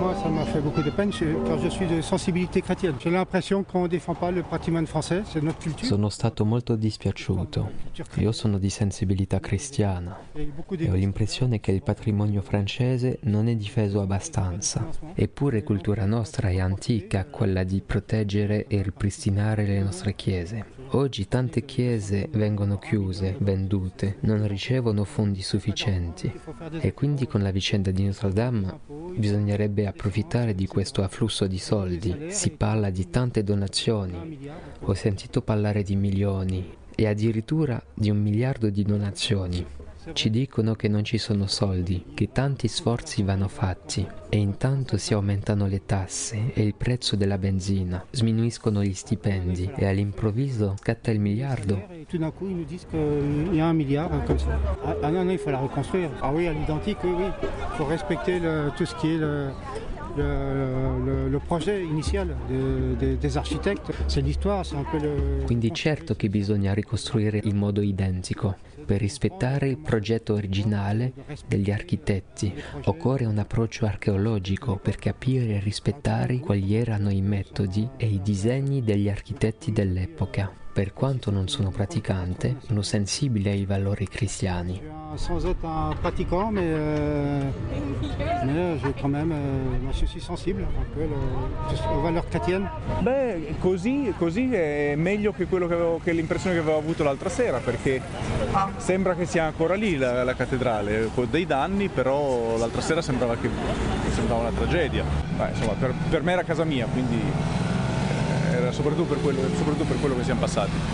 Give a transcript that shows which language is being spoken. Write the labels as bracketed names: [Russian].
[French] moi, ça m'a fait beaucoup de peine, car je suis de sensibilité chrétienne. J'ai l'impression qu'on ne défend pas le patrimoine français, c'est notre culture. [Italian] Sono stato molto dispiaciuto. Io sono di sensibilità cristiana e ho l'impressione che il patrimonio francese non è difeso abbastanza. Eppure cultura nostra è antica, quella di proteggere e ripristinare le nostre chiese. Oggi tante chiese vengono chiuse, vendute, non ricevono fondi sufficienti. E quindi con la vicenda di Notre Dame bisognerebbe approfittare di questo afflusso di soldi. Si parla di tante donazioni, ho sentito parlare di milioni e addirittura di 1 miliardo di donazioni. Ci dicono che non ci sono soldi, che tanti sforzi vanno fatti e intanto si aumentano le tasse e il prezzo della benzina, sminuiscono gli stipendi e all'improvviso scatta il miliardo. [French] Tout d'un coup, ils nous disent qu'il y a 1 milliard comme ça. Ah non, il faut la reconstruire. Ah oui, à l'identique, oui, oui. Il faut respecter tout ce qui est le projet initial des architectes. C'est l'histoire, c'est un peu le... [Italian] Quindi certo che bisogna ricostruire in modo identico. Per rispettare il progetto originale degli architetti occorre un approccio archeologico per capire e rispettare quali erano i metodi e i disegni degli architetti dell'epoca. Per quanto non sono praticante, sono sensibile ai valori cristiani. [French] Sans être un pratiquant, mais j'ai quand même je suis sensible un peu aux valeurs chrétiennes. [Italian] Beh, così è meglio che quello che l'impressione che avevo avuto l'altra sera, perché sembra che sia ancora lì la cattedrale, con dei danni, però l'altra sera sembrava una tragedia. Beh, insomma, per me era casa mia, quindi era soprattutto per quello che siamo passati.